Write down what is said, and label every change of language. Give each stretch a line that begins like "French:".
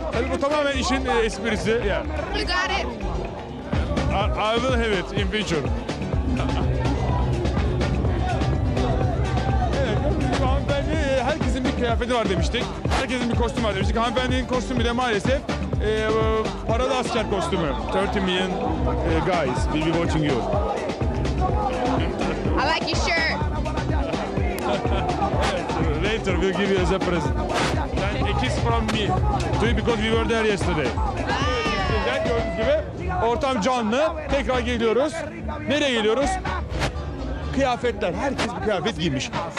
Turkish: Tabii bu tamamen işin esprisi.
English: Yeah. You got it. I will have it in future.
Turkish: Evet, hanımefendi, herkesin bir kıyafeti var demiştik. Herkesin bir kostümü var demiştik. Hanımefendinin kostümü de maalesef paralı asker kostümü.
English: 30 million guys will be watching you. I like your shirt. later we'll give you as a present. And a kiss from me to you because we were there yesterday.
Turkish: Gördüğünüz gibi ortam canlı. Tekrar geliyoruz. Nereye geliyoruz? Kıyafetler. Herkes bir kıyafet giymiş.